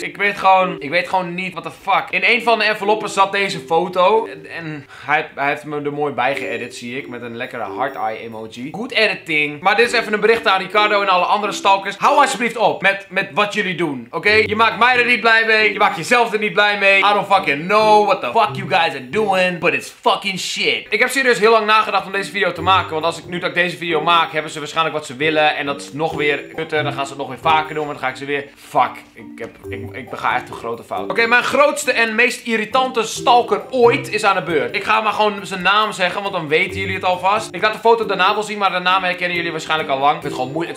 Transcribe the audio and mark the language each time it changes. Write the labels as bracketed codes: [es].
[nl] Ik weet gewoon niet wat de fuck. In een van de enveloppen zat deze foto. En hij heeft me er mooi bij geëdit, zie ik. Met een lekkere heart eye emoji. Goed editing. Maar dit is even een bericht aan Ricardo en alle andere stalkers. Hou alsjeblieft op met wat jullie doen, oké? Je maakt mij er niet blij mee. Je maakt jezelf er niet blij mee. [en] I don't fucking know what the fuck you guys are doing. But it's fucking shit. [nl] Ik heb serieus heel lang nagedacht om deze video te maken. Want nu dat ik deze video maak, hebben ze waarschijnlijk wat ze willen. En dat is nog weer kutter. Dan gaan ze het nog weer vaker doen. En dan ga ik ze weer... Fuck. Ik bega echt een grote fout. Oké, mijn grootste en meest irritante stalker ooit is aan de beurt. Ik ga maar gewoon zijn naam zeggen, want dan weten jullie het alvast. Ik laat de foto daarna wel zien, maar de naam herkennen jullie waarschijnlijk al lang. Ik vind het gewoon moeilijk.